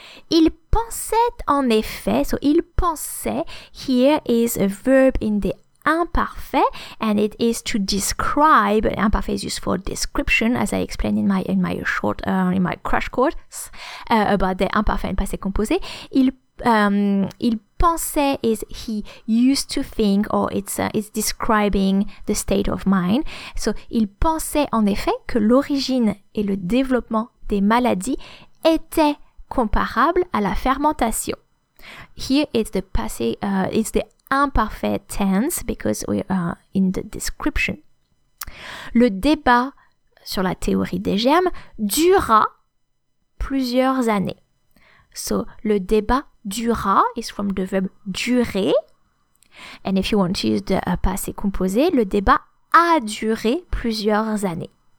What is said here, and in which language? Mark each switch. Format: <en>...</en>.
<fr>Il pensait en effet,</fr> <en>so il pensait, here is a verb in the imparfait and it is to describe, imparfait is used for description as I explained in my crash course about the imparfait and passé composé.</en> <fr>Il pensait</fr> <en>is he used to think or it's describing the state of mind.</en> <fr>So, il pensait en effet que l'origine et le développement des maladies étaient comparables à la fermentation.</fr> <en>Here it's the passé, it's the imperfect tense because we are in the description.</en> <fr>Le débat sur la théorie des germes dura plusieurs années.</fr> <en>So,</en> <fr>le débat dura</fr> <en>is from the verb durer. And if you want to use the passé composé,</en> <fr>le débat a duré plusieurs années.</fr>